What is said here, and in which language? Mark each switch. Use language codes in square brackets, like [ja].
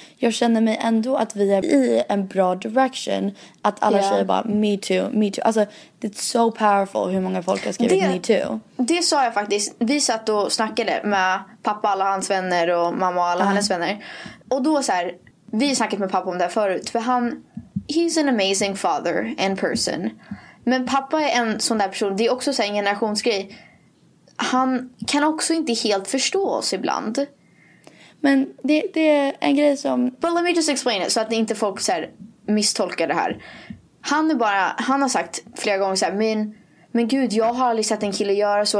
[sv] Jag känner mig ändå att vi är i en bra direction. Att alla tjejer bara, me too, me too. Alltså, [en] it's so powerful [sv] hur många folk har skrivit me too. Det sa jag faktiskt. Vi satt och snackade med pappa och alla hans vänner. Och mamma och alla hennes vänner. Och då så här, vi snackade med pappa om det förut. För han, [en] he's an amazing father and person. [sv] Men pappa är en sån där person. Det är också en generationsgrej. Han kan också inte helt förstå oss ibland. Men det är en grej som... [en] But let me just explain it. [sv] Så att inte folk så här misstolkar det här. Han har sagt flera gånger så här. Men gud, jag har aldrig sett en kille göra så.